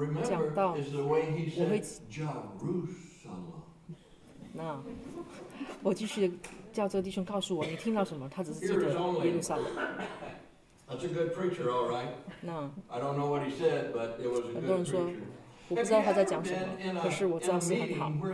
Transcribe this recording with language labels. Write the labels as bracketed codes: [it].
[zh] 讲道，我会那我继续叫这个弟兄告诉我你听到什么，他只是记得耶路撒冷。 [en] That's a good preacher, all right. No. I don't know what he said, but it was a good preacher. [zh] 我不知道他在讲什么，可是我知道是很好。